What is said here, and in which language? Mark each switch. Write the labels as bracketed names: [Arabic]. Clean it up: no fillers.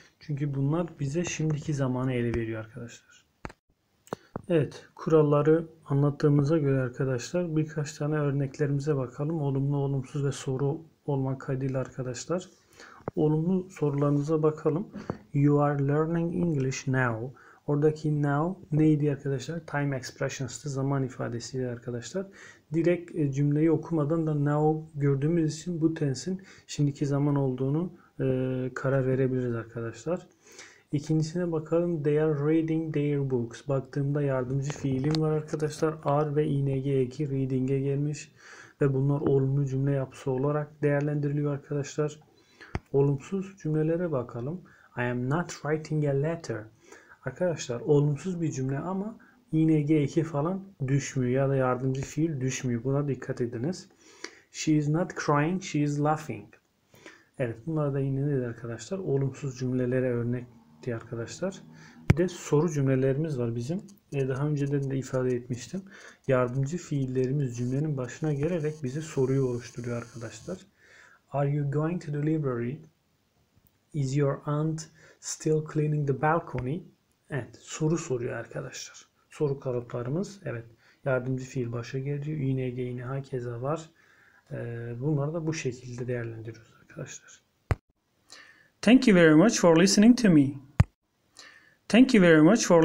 [Turkish] Çünkü bunlar bize şimdiki zamanı ele veriyor arkadaşlar. Evet, kuralları anlattığımıza göre arkadaşlar birkaç tane örneklerimize bakalım. Olumlu, olumsuz ve soru olmak kaydıyla arkadaşlar. Olumlu sorularınıza bakalım. [English] You are learning English now. [Turkish] Oradaki now neydi arkadaşlar? Time expressions'tı, zaman ifadesiydi arkadaşlar. Direkt cümleyi okumadan da now gördüğümüz için bu tensin şimdiki zaman olduğunu karar verebiliriz arkadaşlar. İkincisine bakalım. [English] They are reading their books. [Turkish] Baktığımda yardımcı fiilim var arkadaşlar. Are ve ing eki reading'e gelmiş ve bunlar olumlu cümle yapısı olarak değerlendiriliyor arkadaşlar. Olumsuz cümlelere bakalım. [English] I am not writing a letter. [Turkish] Arkadaşlar olumsuz bir cümle ama ing eki falan düşmüyor ya da yardımcı fiil düşmüyor. Buna dikkat ediniz. [English] She is not crying, she is laughing. [Turkish] Evet, bunlar da yine nedir arkadaşlar? Olumsuz cümlelere örnekti arkadaşlar. Bir de soru cümlelerimiz var bizim. Daha önceden de ifade etmiştim. Yardımcı fiillerimiz cümlenin başına gelerek bize soruyu oluşturuyor arkadaşlar. [English] Are you going to the library? Is your aunt still cleaning the balcony? [Turkish] Evet, soru soruyor arkadaşlar. Soru kalıplarımız, evet. Yardımcı fiil başa geliyor. ING, İNH, keza var. Bunları da bu şekilde değerlendiriyoruz arkadaşlar. [English] Thank you very much for listening to me. Thank you very much for listening.